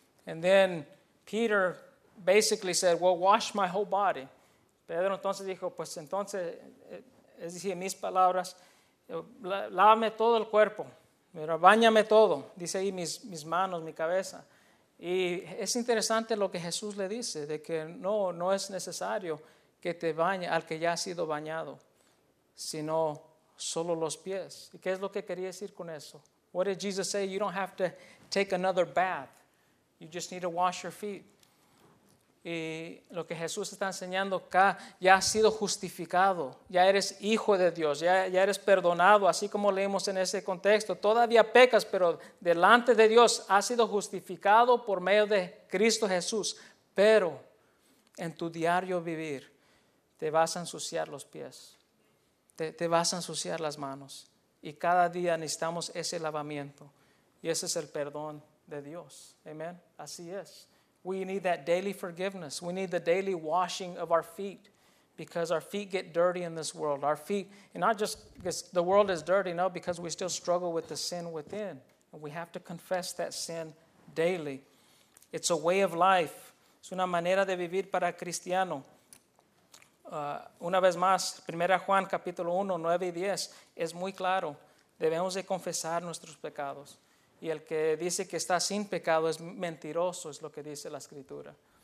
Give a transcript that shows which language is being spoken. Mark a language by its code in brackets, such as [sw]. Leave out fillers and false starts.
[en] And then Peter basically said, well, wash my whole body. [es] Pedro entonces dijo, pues entonces, es decir, mis palabras, lávame todo el cuerpo, pero báñame todo, dice ahí mis manos, mi cabeza. Y es interesante lo que Jesús le dice, de que no es necesario que te bañe al que ya ha sido bañado, sino solo los pies. ¿Y qué es lo que quería decir con eso? [en] What did Jesus say? You don't have to take another bath. You just need to wash your feet. [es] Y lo que Jesús está enseñando acá, ya has sido justificado, ya eres hijo de Dios, ya eres perdonado, así como leemos en ese contexto. Todavía pecas, pero delante de Dios has sido justificado por medio de Cristo Jesús. Pero en tu diario vivir te vas a ensuciar los pies, te vas a ensuciar las manos. Y cada día necesitamos ese lavamiento y ese es el perdón de Dios. Amén. Así es. [en] We need that daily forgiveness. We need the daily washing of our feet because our feet get dirty in this world. Our feet, and not just because the world is dirty, no, because we still struggle with the sin within. And we have to confess that sin daily. It's a way of life. [es] Es una manera de vivir para cristiano. Una vez más, 1 Juan capítulo 1, 9 y 10, es muy claro. debemos de confesar nuestros pecados. Y el que dice que está sin pecado es mentiroso, es lo que dice la Escritura.